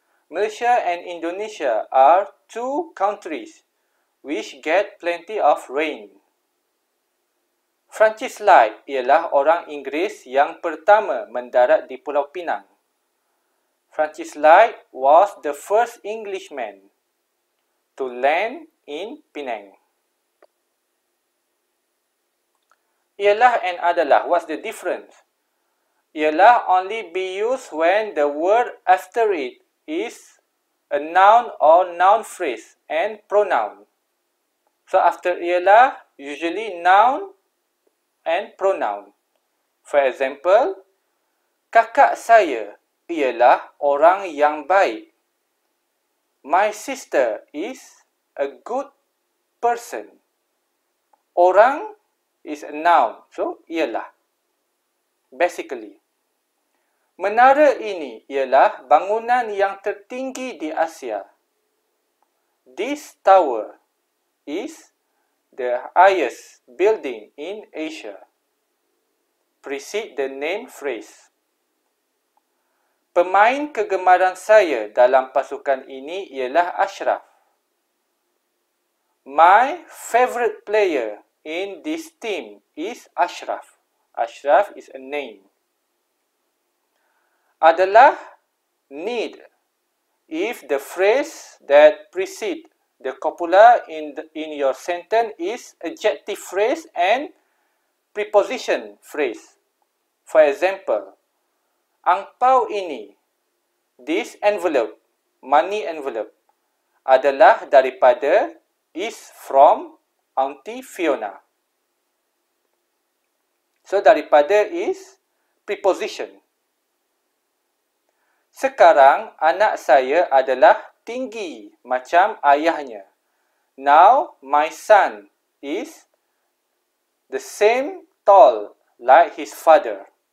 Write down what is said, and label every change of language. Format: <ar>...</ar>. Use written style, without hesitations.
<en>Malaysia and Indonesia are two countries which get plenty of rain.</en> <ms>Francis Light ialah orang Inggeris yang pertama mendarat di Pulau Pinang.</ms> <en>Francis Light was the first Englishman to land in Penang. Ialah and adalah, what's the difference? Ialah only be used when the word after it is a noun or noun phrase and pronoun. So after ialah, usually noun and pronoun. For example,</en> <ms>kakak saya ialah orang yang baik.</ms> <en>My sister is a good person. Orang is a noun, so ialah. Basically,</en> <ms>menara ini ialah bangunan yang tertinggi di Asia.</ms> <en>This tower is the highest building in Asia. Precede the name phrase.</en> <ms>Pemain kegemaran saya dalam pasukan ini ialah Ashraf.</ms> <en>My favorite player in this team is Ashraf. Ashraf is a name. Adalah need. If the phrase that precede the copula in your sentence is adjective phrase and preposition phrase. For example,</en> <ms>angpau ini,</ms> <en>this envelope, money envelope,</en> <ms>adalah daripada,</ms> <en>is from Auntie Fiona. So, daripada is preposition.</en> <ms>Sekarang anak saya adalah tinggi macam ayahnya.</ms> <en>Now my son is the same tall like his father.</en>